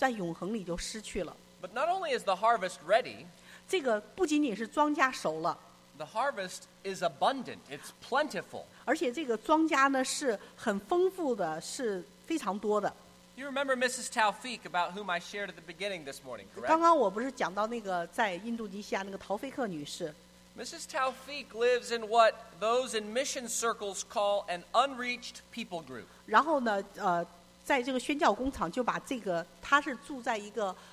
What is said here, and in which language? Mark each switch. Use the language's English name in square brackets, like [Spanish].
[Chinese] 如果我们不去收割他们，那真的就是在永恒里就失去了。 [English] But not only is the harvest ready, [Chinese] 这个不仅仅是庄稼熟了, [English] the harvest is abundant, it's plentiful. [Chinese] 而且这个庄稼呢是很丰富的，是非常多的。 [English] You remember Mrs. Taufik about whom I shared at the beginning this morning, correct? [Chinese] 刚刚我不是讲到那个在印度尼西亚那个陶菲克女士。 [English] Mrs. Taufik lives in what those in mission circles call an unreached people group. [Chinese] 然后呢，在这个宣教工厂就把这个，她是住在一个。